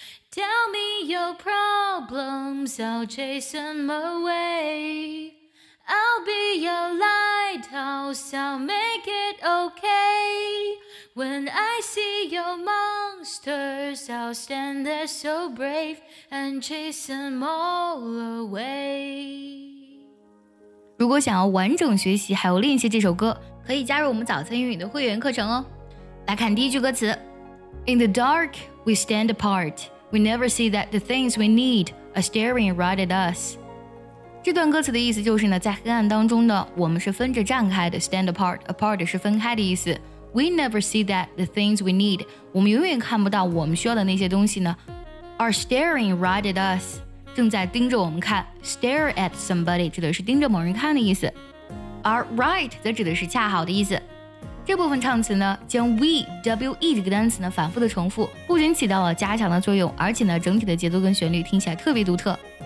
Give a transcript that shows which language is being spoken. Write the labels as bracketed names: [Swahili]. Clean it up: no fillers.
[English] Tell me your problems, I'll chase them away. I'll be your lighthouse, I'll make it okay. When I see your monsters, I'll stand there so brave and chase them all away. [Chinese] 如果想要完整学习还有练习这首歌，可以加入我们早餐英语的会员课程哦。来看第一句歌词。 [English] In the dark, we stand apart. We never see that the things we need are staring right at us. [Chinese] 这段歌词的意思就是呢，在黑暗当中呢，我们是分着站开的 ， [English] stand apart. [Chinese] Apart 是分开的意思。 [English] We never see that the things we need. [Chinese] 我们永远看不到我们需要的那些东西呢 ， [English] are staring right at us. [Chinese] 正在盯着我们看。 [English] Stare at somebody [Chinese] 指的是盯着某人看的意思。 [English] Are right [Chinese] 则指的是恰好的意思。这部分唱词呢，将 we 这个单词呢反复的重复，不仅起到了加强的作用，而且呢整体的节奏跟旋律听起来特别独特。